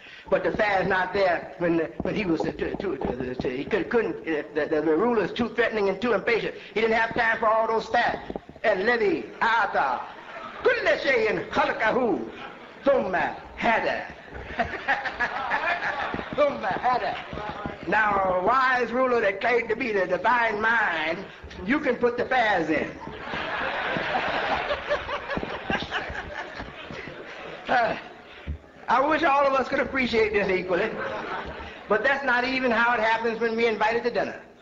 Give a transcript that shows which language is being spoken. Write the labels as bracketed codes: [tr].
[en] But the fa is not there when he was he couldn't, the ruler is too threatening and too impatient. He didn't have time for all those fa's. [ar] الذي أعطى كل شيء خلقه ثم هدى. ثم هدى. [en] Now, a wise ruler that claimed to be the divine mind, you can put the fa's in. I wish all of us could appreciate this equally. But that's not even how it happens when we're invited to dinner.